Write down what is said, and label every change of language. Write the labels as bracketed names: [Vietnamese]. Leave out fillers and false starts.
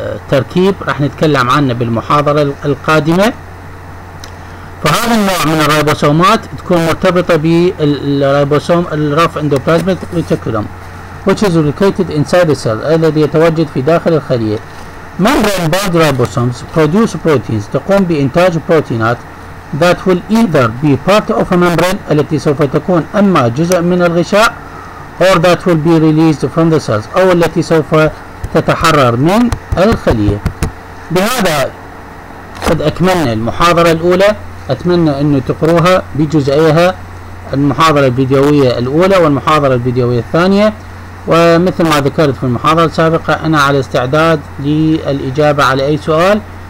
[Arabic] تركيب راح نتكلم عنه بالمحاضرة القادمة. فهذا النوع من الريبوسومات تكون مرتبطة بالريبوسوم الرف اندوبلازميك ريتيكولوم [English] which is located inside the cell [Arabic] الذي يتواجد في داخل الخلية. [English] Membrane bound ribosomes produce proteins [Arabic] تقوم بإنتاج بروتينات [English] that will either be part of a membrane [Arabic] التي سوف تكون أما جزء من الغشاء [English] or that will be released from the cells [Arabic] أو التي سوف تتحرر من الخلية. بهذا قد أكملنا المحاضرة الأولى، أتمنى أنه تقروها بجزئيها، المحاضرة الفيديوية الأولى والمحاضرة الفيديوية الثانية. ومثل ما ذكرت في المحاضرة السابقة أنا على استعداد للإجابة على أي سؤال.